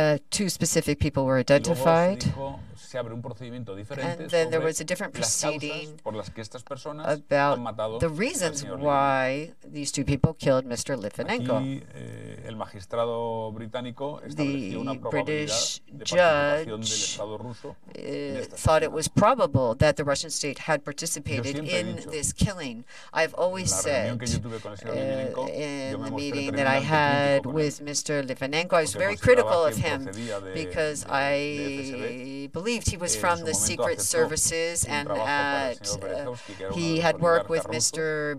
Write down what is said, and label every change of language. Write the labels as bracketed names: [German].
[English] Two specific people were identified. And then there was a different proceeding about the reasons why these two people killed Mr. Litvinenko. [Spanish] El magistrado británico estableció una probabilidad de participación del Estado ruso. [English] Thought it was probable that the Russian state had participated in this killing. I've always said in the meeting that I had with Mr. Litvinenko, I was very critical of him because I believed he was from the secret services and that he had worked with Mr.